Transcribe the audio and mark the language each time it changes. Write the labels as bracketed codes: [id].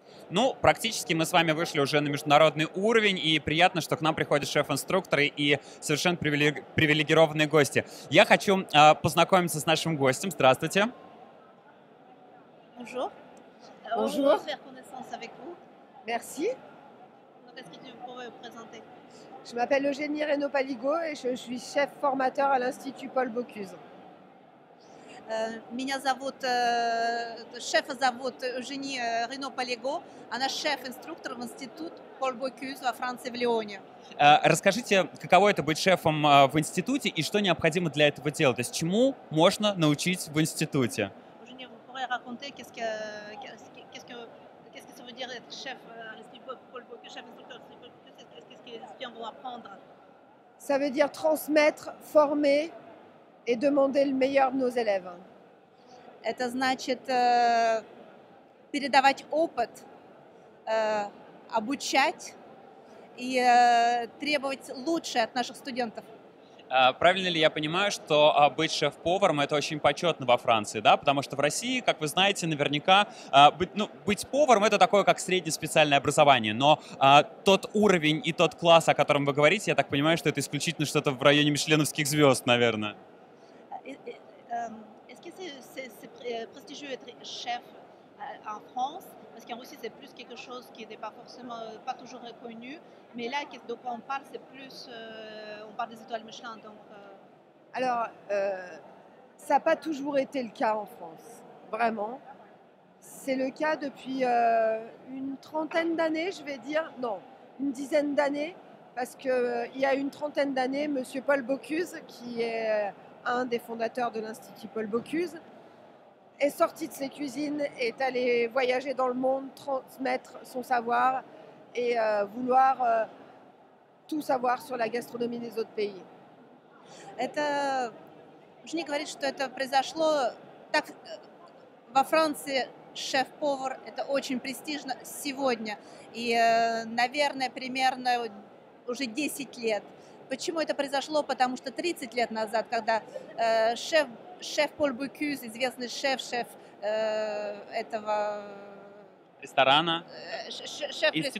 [ru] Ну, практически мы с вами вышли уже на международный уровень, и приятно, что к нам приходят шеф-инструкторы и совершенно привилегированные гости. Я хочу познакомиться с нашим гостем. Здравствуйте. [fr] Bonjour. Bonjour. Faire connaissance avec vous. Merci. Donc, est-ce que tu pourrais vous présenter? Je m'appelle Eugénie Reynaud-Paligaud et je suis chef formateur à l'Institut Paul Bocuse. [ru] Меня зовут, шефа зовут Жени Рено Палего, она шеф-инструктор в институт Пол Бокюз во Франции в Лионе. Расскажите, каково это быть шефом в институте и что необходимо для этого делать, то есть чему можно научить в институте? Жени, вы можете рассказать, [fr] qu'est-ce que ça veut dire être chef à l'Institut Paul Bocuse, [ru] шеф-инструктор в Институте Пол Бокюз, [fr] qu'est-ce que ça veut dire transmettre, former et demander le meilleur de nos élèves. [ru] Это значит передавать опыт, обучать и требовать лучшее от наших студентов. Правильно ли я понимаю, что быть шеф-поваром это очень почетно во Франции, да? Потому что в России, как вы знаете, наверняка быть поваром это такое как среднеспециальное образование, но тот уровень и тот класс, о котором вы говорите, я так понимаю, что это исключительно что-то в районе мишленовских звезд, наверное. [fr] Est-ce que c'est prestigieux être chef en France? Parce qu'en Russie, c'est plus quelque chose qui n'est pas forcément, pas toujours reconnu. Mais là, de quoi on parle, c'est plus, on parle des étoiles Michelin. Donc, Alors, ça n'a pas toujours été le cas en France, vraiment. C'est le cas depuis une trentaine d'années, je vais dire. Non, une dizaine d'années. Parce qu'il y a une trentaine d'années, M. Paul Bocuse, qui est un des fondateurs de l'Institut Paul Bocuse, est sorti de ses cuisines et est allé voyager dans le monde, transmettre son savoir et vouloir tout savoir sur la gastronomie des autres pays. Je n'ai pas dit que ça s'est passé. En France, chef-pauvre est très prestigieux aujourd'hui. [ru] Et примерно уже 10 лет. Почему это произошло? Потому что 30 лет назад, когда шеф Поль Бокюз, известный шеф этого ресторана, шеф